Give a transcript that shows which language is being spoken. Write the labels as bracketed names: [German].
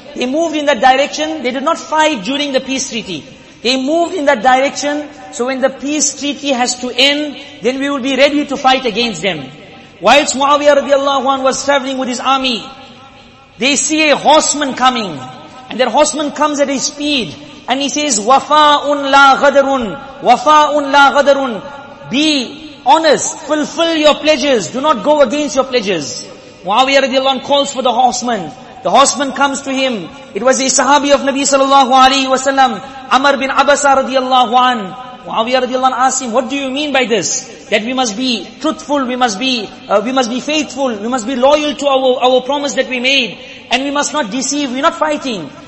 [English] They moved in that direction. They did not fight during the peace treaty. They moved in that direction, so when the peace treaty has to end, then we will be ready to fight against them. Whilst Muawiyah radiallahu anhu was traveling with his army, they see a horseman coming. And that horseman comes at a speed. And he says, [Arabic] وَفَاءٌ لَا غَدَرٌ وَفَاءٌ لَا غَدَرٌ. [English] Be honest, fulfill your pledges, do not go against your pledges. Muawiyah radiallahu anhu calls for the horseman. The horseman comes to him. It was a sahabi of Nabi sallallahu alayhi wa sallam, Amr bin Abasa radiallahu anhu. Muawiyah radiallahu anhu asked him, what do you mean by this? That we must be truthful, we must be faithful, we must be loyal to our promise that we made, and we must not deceive, we're not fighting.